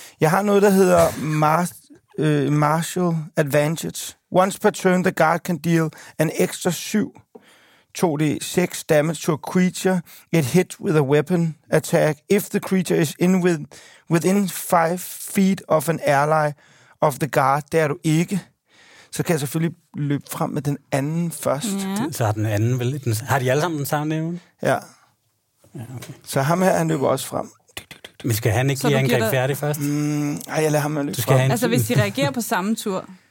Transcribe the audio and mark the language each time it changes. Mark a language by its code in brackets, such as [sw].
[da] Jeg har noget, der hedder Martial Advantage. [en] Once per turn, the guard can deal an extra 2d6 damage to a creature it hit with a weapon attack if the creature is within 5 feet of an ally of the guard. [da] Det er du ikke. Så kan jeg selvfølgelig løbe frem med den anden først. [en] Yeah. [da] Så har den anden vel lidt... Har de alle sammen den samme nævne? Ja. Ja, okay. Så ham her, han løber også frem. Men skal han ikke lige angreb dig... færdig først? Nej, jeg lader ham løbe frem. Have... Altså, hvis de reagerer på samme tur...